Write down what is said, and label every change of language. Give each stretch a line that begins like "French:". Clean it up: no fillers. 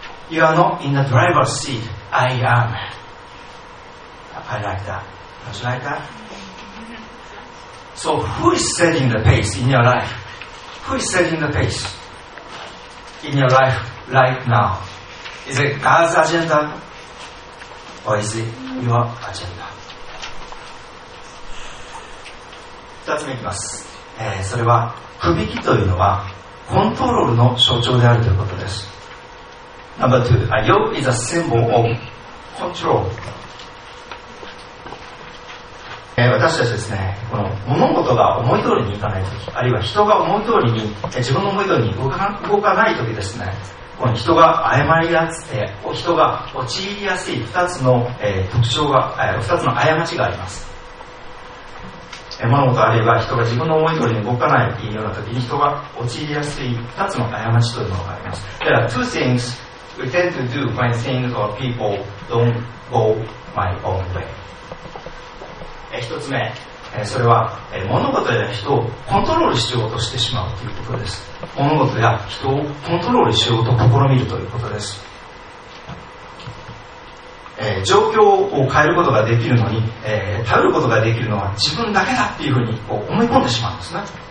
English: You are not in the driver's seat, I am. I like that. Don't you like that? So who is setting the pace in your life? Who is setting the pace in your life right now? Is it God's agenda or is it your agenda?
Japanese: 2つ目いきます、それは首輝きというのはコントロールの象徴であるということです。
English: Number two, a yoke is a symbol of control、
Japanese: 私たちですね、この物事が思い通りにいかないとき、あるいは人が思い通りに、自分の思い通りに動かないときですね、この人が誤りやすい、人が陥りやすい2つの特徴が、2つの過ちがあります。物事あるいは人が自分の思い通りに動かないような時に人が陥りやすい2つの過ちというものがあります。
English: There are two things we tend to do when things or people don't go my own way.
Japanese: 1つ目、それは物事や人をコントロールしようとしてしまうということです。物事や人をコントロールしようと試みるということです。状況を変えることができるのに、頼ることができるのは自分だけだというふうに思い込んでしまうんですね。